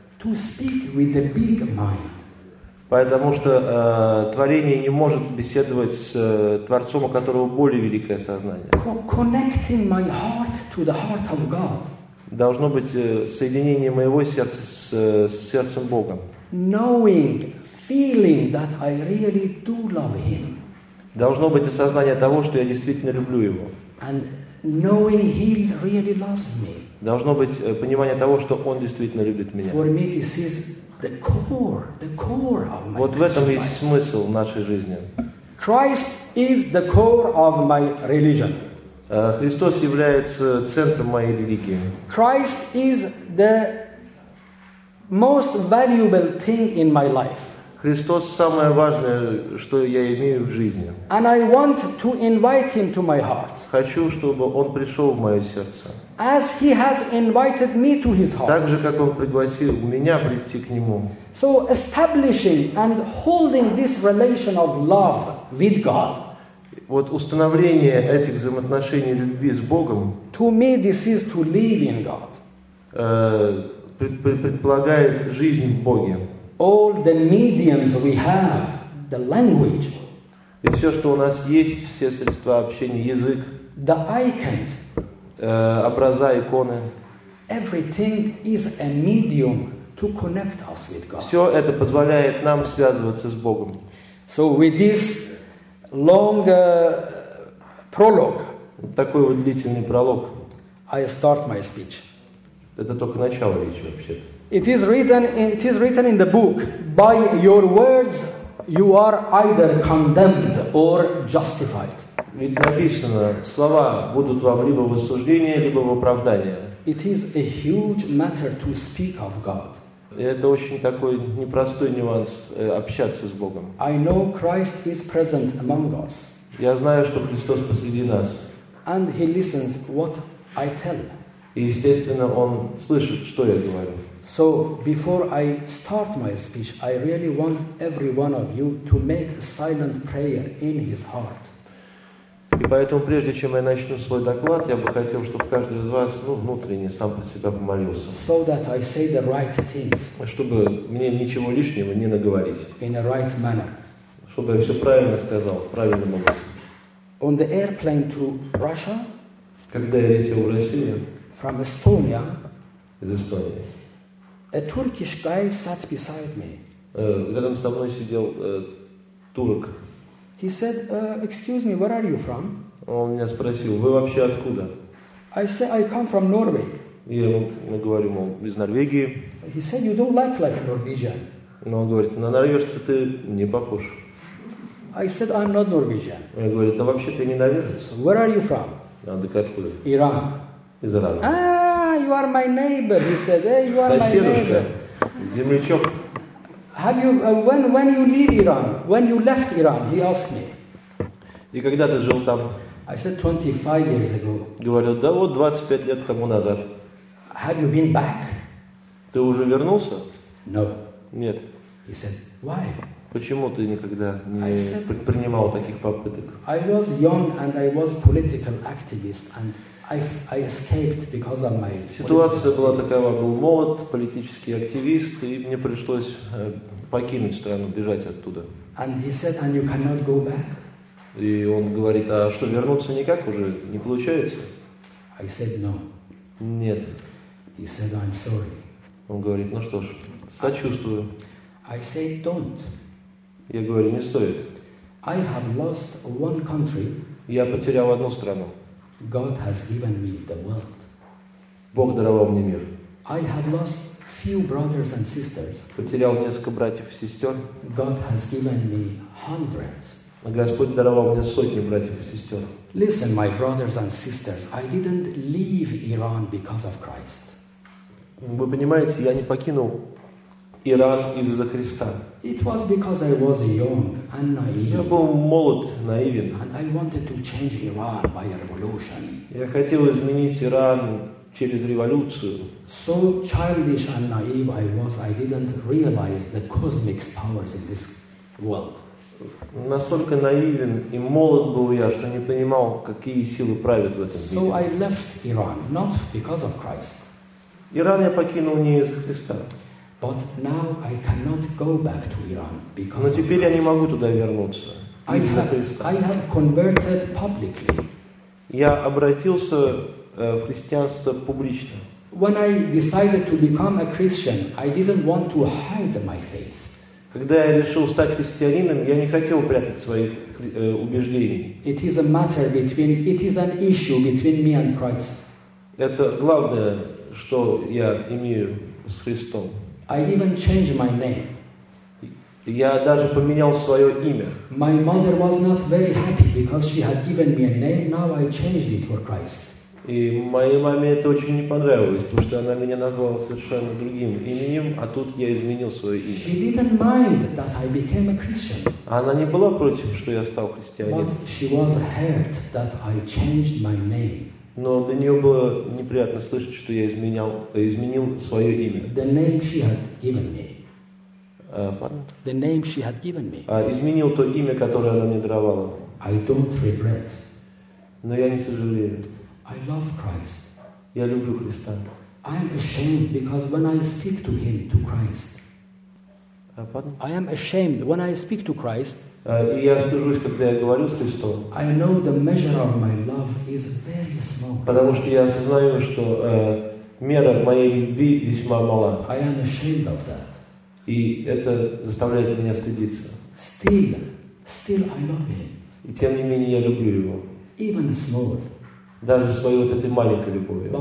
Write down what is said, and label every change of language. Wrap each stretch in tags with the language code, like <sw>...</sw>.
<en>To speak with the big mind.</en> <ru>Потому что творение не может беседовать с творцом, у которого более великое сознание.</ru> <en>Connecting my heart to the heart of God.</en> <ru>Должно быть соединение моего сердца с сердцем Богом.</ru> <en>Knowing, feeling that I really do love Him.</en> <ru>Должно быть осознание того, что я действительно люблю Его.</ru> <en>And knowing He really loves me.</en> <ru>Должно быть понимание того, что Он действительно любит меня.</ru> <en>For me, this is the core of my</en> <ru>Вот в этом есть смысл нашей жизни.</ru> <en>Christ is the core of my religion.</en> <ru>Христос является центром моей религии.</ru> <en>Christ is the most valuable thing in my life.</en> <ru>Христос самое важное, что я имею в жизни.</ru> <en>And I want to invite him to my heart.</en> <ru>Хочу, чтобы он пришел в мое сердце.</ru> <en>As he has invited me to his heart.</en> <ru>Так же, как он пригласил меня прийти к нему.</ru> <en>So establishing and holding this relation of love with God.</en> <ru>Вот установление этих взаимоотношений любви с Богом.</ru> <en>To me this is to live in God.</en> <ru>Предполагает жизнь в Боге.</ru> <en>All the mediums we have, the language.</en> <ru>И все, что у нас есть, все средства общения, язык.</ru> <en>The icons.</en> <ru>Образа, иконы.</ru> <en>Everything is a medium to connect us with God.</en> <ru>Все это позволяет нам связываться с Богом.</ru> <en>So with this long prologue.</en> <ru>Вот такой вот длительный пролог.</ru> <en>I start my speech.</en> <ru>Это только начало речи вообще.</ru> <en>It is written in the book. By your words, you are either condemned or justified.</en> <ru>Ведь написано, слова будут вам либо в осуждение, либо в оправдание.</ru> <en>It is a huge matter to speak of God.</en> <ru>Это очень такой непростой нюанс общаться с Богом.</ru> <en>I know Christ is present among us.</en> <ru>Я знаю, что Христос посреди нас.</ru> <en>And he listens what I tell.</en> <ru>И естественно, он слышит, что я говорю.</ru> <en>So before I start my speech, I really want every one of you to make a silent prayer in his heart.</en> <ru>И поэтому, прежде чем я начну свой доклад, я бы хотел, чтобы каждый из вас, ну, внутренне сам про себя помолился.</ru> <en>So that I say the right things.</en> <ru>Чтобы мне ничего лишнего не наговорить.</ru> <en>In a right manner.</en> <ru>Чтобы я все правильно сказал, правильным образом.</ru> <en>On the airplane to Russia.</en> <ru>Когда я летел в Россию.</ru> <en>From Estonia.</en> <ru>Из Эстонии.</ru> <en>A Turkish guy sat beside me.</en> <ru>Рядом со мной сидел турок.</ru> <en>He said, excuse me, where are you from?</en> <ru>Он меня спросил, вы вообще откуда?</ru> <en>I said, I come from Norway.</en> <ru>Я ему говорю, мол, из Норвегии.</ru> <en>He said, you don't look like Norwegian.</en> <ru>Но он говорит, на норвежца ты не похож.</ru> <en>I said, I'm not Norwegian.</en> <ru>Я говорю, да вообще ты не норвежец.</ru> <en>Where are you from?</en> <ru>А ты откуда? Иран. Из Ирана.</ru> <en>You are my neighbor, he said. Hey, you are</en> <ru>соседушка,</ru> <en>my neighbor.</en> <ru>Землячок.</ru> <en>Have you when you leave Iran? When you left Iran? He asked me.</en> <ru>И когда ты жил там?</ru> <en>I said 25 years ago.</en> <ru>Говорю, да вот 25 лет тому назад.</ru> <en>Have you been back?</en> <ru>Ты уже вернулся?</ru> <en>No.</en> <ru>Нет.</ru> <en>He said, why?</en> <ru>Почему ты никогда не предпринимал таких попыток?</ru> <en>I was young and I was political activist and I escaped because of my.</en> <ru>Ситуация была такова, был молод, политический активист, и мне пришлось покинуть страну, бежать оттуда.</ru> <en>And he said, and you cannot go back.</en> <ru>И он говорит, а что вернуться никак уже не получается?</ru> <en>I said no.</en> <ru>Нет.</ru> <en>He said, I'm sorry.</en> <ru>Он говорит, ну что ж, сочувствую.</ru> <en>I said, don't.</en> <ru>Я говорю, не стоит.</ru> <en>I have lost one country.</en> <ru>Я потерял одну страну.</ru> <en>God has given me the world.</en> <ru>Бог даровал мне мир.</ru> <en>I have lost few brothers and sisters.</en> <ru>Потерял несколько братьев и сестер.</ru> <en>God has given me hundreds.</en> <ru>Господь даровал мне сотни братьев и сестер.</ru> <en>Listen, my brothers and sisters, I didn't leave Iran because of Christ.</en> <ru>Вы понимаете, я не покинул Иран из-за Христа.</ru> <en>It was because I was young and naive.</en> <ru>Я был молод, наивен.</ru> <en>And I wanted to change Iran by a revolution.</en> <ru>Я хотел изменить Иран через революцию.</ru> <en>So childish and naive I was, I didn't realize the cosmic powers in this world.</en> <ru>Настолько наивен и молод был я, что не понимал, какие силы правят в этом мире.</ru> <en>So I left Iran, not because of Christ.</en> <ru>Иран я покинул не из-за Христа.</ru> <en>But now I cannot go back to Iran because.</en> <ru>Но теперь я не могу туда вернуться. Из-за Христа.</ru> <en>I have converted publicly.</en> <ru>Я обратился в христианство публично.</ru> <en>When I decided to become a Christian, I didn't want to hide my faith.</en> <ru>Когда я решил стать христианином, я не хотел прятать своих убеждений.</ru> <en>It is a matter between. It is an issue between me and Christ.</en> <ru>Это главное, что я имею с Христом.</ru> <en>I even changed my name.</en> <ru>Я даже поменял свое имя.</ru> <en>My mother was not very happy because she had given me a name. Now I changed it for Christ.</en> <ru>И моей маме это очень не понравилось, потому что она меня назвала совершенно другим именем, а тут я изменил свое имя.</ru> <en>She didn't mind that I became a Christian.</en> <ru>Она не была против, что я стал христианином.</ru> <en>But she was hurt that I changed my name.</en> <ru>Но для нее было неприятно слышать, что я изменил свое имя.</ru> <en>The name she had given me. Pardon? The name she had given me.</en> <ru>Изменил то имя, которое она мне даровала.</ru> <en>I don't regret.</en> <ru>Но я не сожалею.</ru> <en>I love Christ.</en> <ru>Я люблю Христа.</ru> <en>I am ashamed because when I speak to Him, to Christ. Pardon? I am ashamed when I speak to Christ.</en> <ru>И я стыжусь, когда я говорю с Христом.</ru> <en>I know the measure of my love is very small.</en> <ru>Потому что я осознаю, что мера моей любви весьма мала.</ru> <en>I am ashamed of that.</en> <ru>И это заставляет меня стыдиться.</ru> <en>Still I love Him.</en> <ru>И тем не менее я люблю Его.</ru> <en>Even small.</en> <ru>Даже своей вот этой маленькой любовью.</ru>